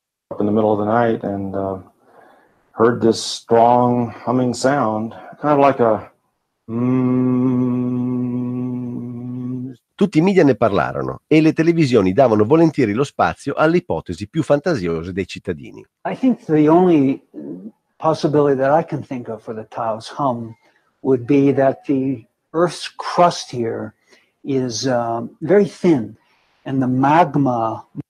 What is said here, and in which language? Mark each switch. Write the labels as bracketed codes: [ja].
[en] Up in the middle of the night and heard this strong humming sound, kind of like a [it] Tutti i media ne parlarono e le televisioni davano volentieri lo spazio alle ipotesi più fantasiose dei cittadini. [en] I think the only possibility that I can think of for the Taos hum would be that the Earth's crust here is very thin and the magma.